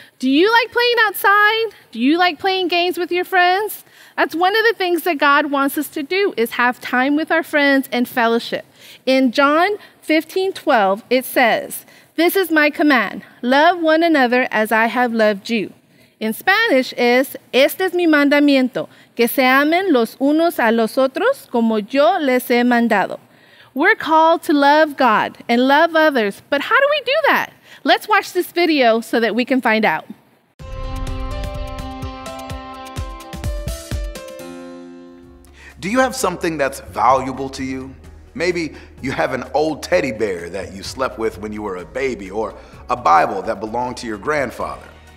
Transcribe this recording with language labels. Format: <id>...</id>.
<en>Do you like playing outside? Do you like playing games with your friends? That's one of the things that God wants us to do is have time with our friends and fellowship. In John 15:12, it says, "This is my command, love one another as I have loved you." In Spanish is,</en> <es>"Este es mi mandamiento, que se amen los unos a los otros como yo les he mandado."</es> <en>We're called to love God and love others, but how do we do that? Let's watch this video so that we can find out. Do you have something that's valuable to you? Maybe you have an old teddy bear that you slept with when you were a baby, or a Bible that belonged to your grandfather.</en>